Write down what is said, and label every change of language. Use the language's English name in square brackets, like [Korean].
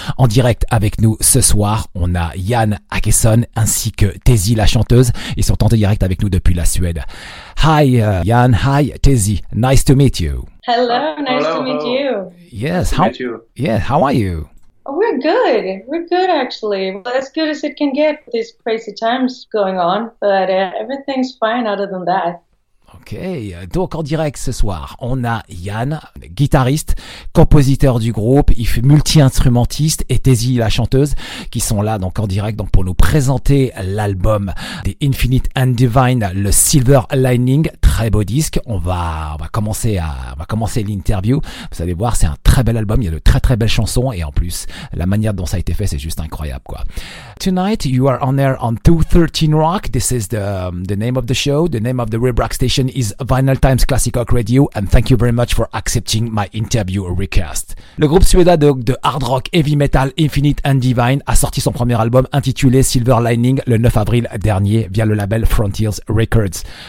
[French] En direct avec nous ce soir, on a Jan Akesson ainsi que Tezzy la chanteuse. Ils sont en direct avec nous depuis la Suède. [English] Hi Jan, hi Tezzy, nice to meet you. Hello, nice to meet you. Yes, how are you? We're good actually. Well, as good as it can get with these crazy times going on, but everything's fine other than that. [French] Okay, donc en direct ce soir, on a Jan, guitariste, compositeur du groupe, il fait multi-instrumentiste, et Tezzy, la chanteuse, qui sont là donc en direct donc pour nous présenter l'album des Infinite and Divine, le Silver Lining, très beau disque. On va commencer l'interview. Vous allez voir, c'est un très bel album, il y a de très très belles chansons, et en plus, la manière dont ça a été fait, c'est juste incroyable, quoi. [English] Tonight, you are on air on 213 Rock. This is the name of the show. The name of the Rib Rock station is Vinyl Times Classic Rock Radio. And thank you very much for accepting my interview request. [French] Le groupe suédois de hard rock, heavy metal, Infinite and Divine, a sorti son premier album intitulé Silver Lining le 9 avril dernier via le label Frontiers Records.